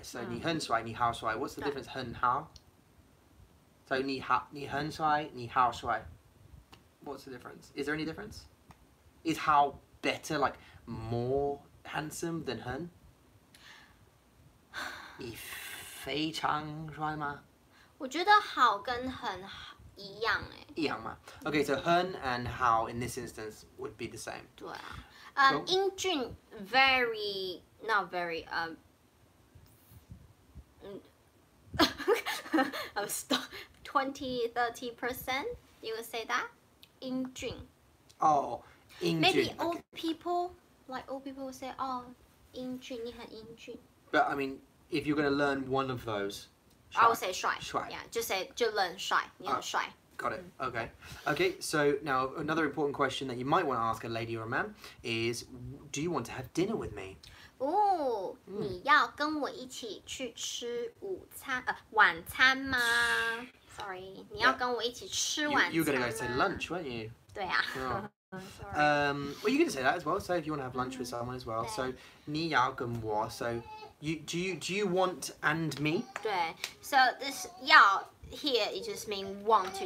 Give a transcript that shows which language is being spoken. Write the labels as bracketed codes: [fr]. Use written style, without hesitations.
[en] So [zh] 你很帅,你好帅. [en] What's the difference? 很好?So 你很帅,你好帅.What's the difference? Is there any difference? Is 好 better, like more handsome than 很? [zh] 你非常帅吗? 我觉得好跟很一样诶。一样吗? [en] Okay, so 很 and 好 in this instance would be the same. [zh] 对啊。 [en] 英俊, very, not very, I'm stuck, 20-30%, you would say that? [zh] 英俊. [en] Oh, 英俊. Maybe old people, like old people would say, oh, 英俊, [zh] 你很英俊. [en] But I mean, if you're going to learn one of those, 帅.I would say 帅.帅.Yeah, just learn 帅, [zh] 你很帅. [en] Got it. Okay. Okay, so now another important question that you might want to ask a lady or a man is, do you want to have dinner with me? [zh] Oh, 你要跟我一起去吃晚餐吗? Sorry, 你要跟我一起吃晚餐吗? [en] You're going to go to lunch, weren't you? [zh] 对啊. [en] Oh. Well, you can say that as well, so if you want to have lunch with someone as well. So, [zh] 你要跟我, [en] so, do you want and me? 对, so this 要...Here, it just means want to.